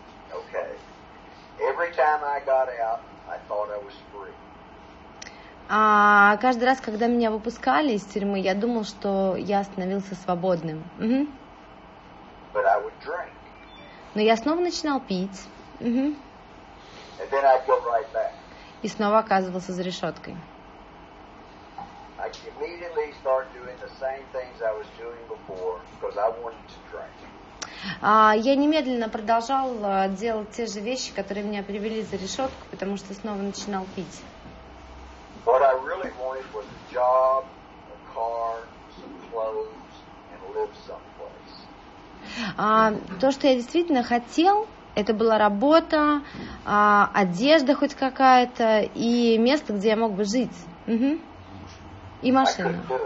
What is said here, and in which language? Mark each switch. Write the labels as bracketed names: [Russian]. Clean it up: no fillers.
[English] Okay. Every time I got out, I thought I was free. [Russian] Каждый раз, когда меня выпускали из тюрьмы, я думал, что я становился свободным. [English] But I would drink. [Russian] Но я снова начинал пить. [English] And then I'd go right back. [Russian] И снова оказывался за решеткой. [English] I immediately start doing the same things I was doing before because I wanted to drink. [Russian] Я немедленно продолжал делать те же вещи, которые меня привели за решетку, потому что снова начинал пить. [English] What I really wanted was a job, a car, some clothes, and live someplace. [Russian] То, что я действительно хотел, это была работа, одежда хоть какая-то и место, где я мог бы жить. И машина.